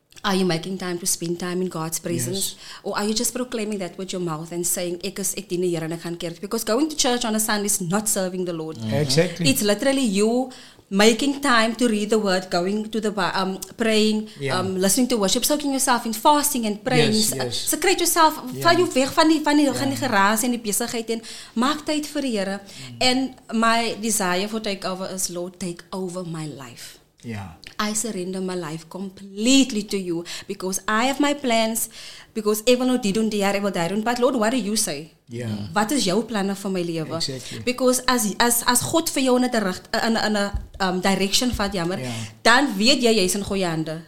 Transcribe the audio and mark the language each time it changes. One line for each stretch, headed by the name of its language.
English: Are you making time to spend time in God's presence? Yes. Or are you just proclaiming that with your mouth and saying,
Afrikaans: ek dien die Here en ek gaan kerk?
English: Because going to church on a Sunday is not serving the Lord. Mm-hmm. Exactly. It's literally you making time to read the word, going to the praying, listening to worship, soaking yourself in fasting and praying. Yes, yes. Secrete yourself,
Afrikaans: vaal jou weg van die geraas en die besigheid en maak tyd vir die Here.
English: And my desire for takeover is, Lord, take over my life. Yeah. I surrender my life completely to you because I have my plans, because even though didn't die, I will die. But Lord, what do you say? Yeah.
Afrikaans: Wat is jou planne vir my lewe?
English: Exactly.
Afrikaans: Because as God vir jou in 'n direction vat, jammer, dan weet jy is in goeie hande.